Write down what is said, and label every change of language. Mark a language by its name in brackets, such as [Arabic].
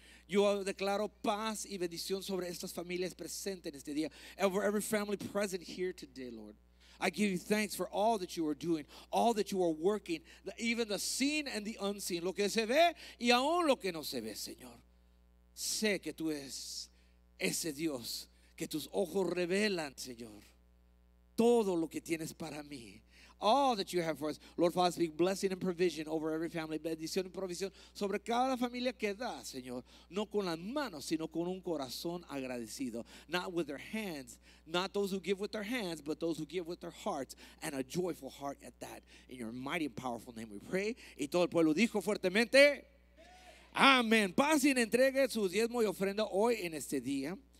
[Spanish] Yo declaro paz y bendición sobre estas familias presentes en este día. [English] Over every family present here today, Lord. I give you thanks for all that you are doing, all that you are working, even the seen and the unseen. [Spanish] Lo que se ve y aún lo que no se ve, Señor. Sé que tú eres ese Dios que tus ojos revelan, Señor. Todo lo que tienes para mí. [English] All that you have for us. Lord, Father, speak blessing and provision over every family. [Spanish] Bendición y provisión sobre cada familia que da, Señor. No con las manos, sino con un corazón agradecido. [English] Not with their hands. Not those who give with their hands, but those who give with their hearts. And a joyful heart at that. In your mighty and powerful name we pray. [Spanish] Y todo el pueblo dijo fuertemente. Amén. Pasen, entregue su diezmo y ofrenda hoy en este día.